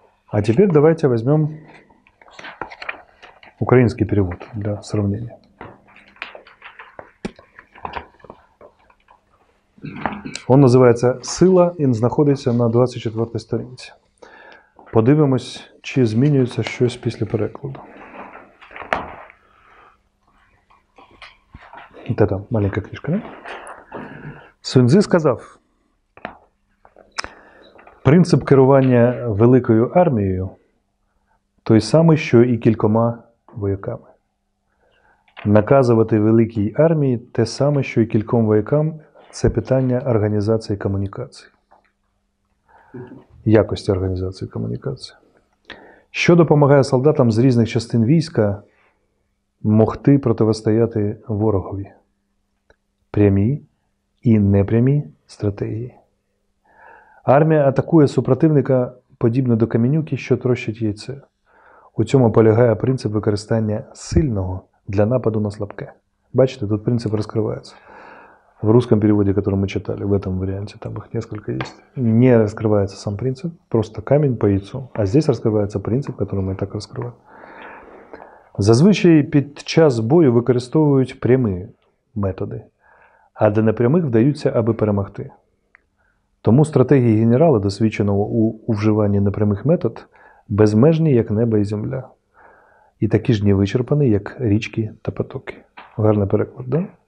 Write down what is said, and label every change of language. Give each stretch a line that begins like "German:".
Russian: А теперь давайте возьмем украинский перевод для сравнения. Он называется «Сила» и находится на 24-й странице.
Ukrainian: Подивимось, чи змінюється щось після перекладу.
Russian: Вот это маленькая книжка, да?
Ukrainian: Сунь-цзы сказав, принцип керування великою армією той самий, що і кількома вояками. Наказувати великій армії те саме, що і кільком воякам – це питання організації комунікації. Якості організації комунікації. Що допомагає солдатам з різних частин війська могти протистояти ворогові? Прямі і непрямі стратегії. Армія атакує супротивника подібно до камінюки, що трощить яйце. У цьому полягає принцип використання сильного для нападу на слабке. Бачите, тут принцип розкривається.
Russian: В русском переводе, который мы читали, в этом варианте, там их несколько есть, не раскрывается сам принцип, просто камень по яйцу. А здесь раскрывается принцип, который мы так раскрываем.
Ukrainian: Зазвичай під час бою використовують прямі методи, а до непрямих вдаються, аби перемогти. Тому стратегії генерала, досвідченого у вживанні непрямих метод, безмежні, як небо і земля. І такі ж не вичерпані, як річки та потоки. Гарний переклад, да?